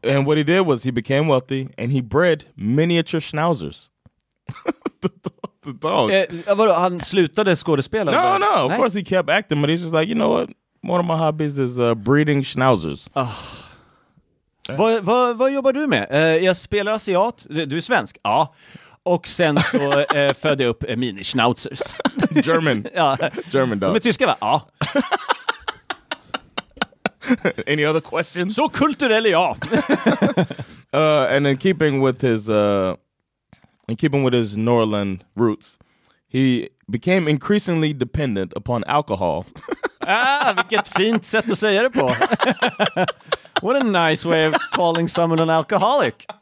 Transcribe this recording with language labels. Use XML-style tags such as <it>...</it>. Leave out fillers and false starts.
<en>And what he did was he became wealthy and he bred miniature schnauzers.</en> <sv>Han slutade skådespela?</sv> <en>No, of course he kept acting, but he's just like, you know what, one of my hobbies is breeding schnauzers.</en> <sv>Vad jobbar du med? Jag spelar asiat, du är svensk? Ja. Och sen så födde jag upp mini schnauzers.</sv> <en>German.</en> <sv>Ja.</sv> <en>German dog.</en> <sv>Men tyska va? Ja.</sv> <en>Any other questions?</en> <sv>Så kulturell, ja.</sv> <en>And in keeping with his New Orleans roots, he became increasingly dependent upon alcohol.</en> <sv>Vilket fint sätt att säga det på.</sv> <en>What a nice way of calling someone an alcoholic.</en>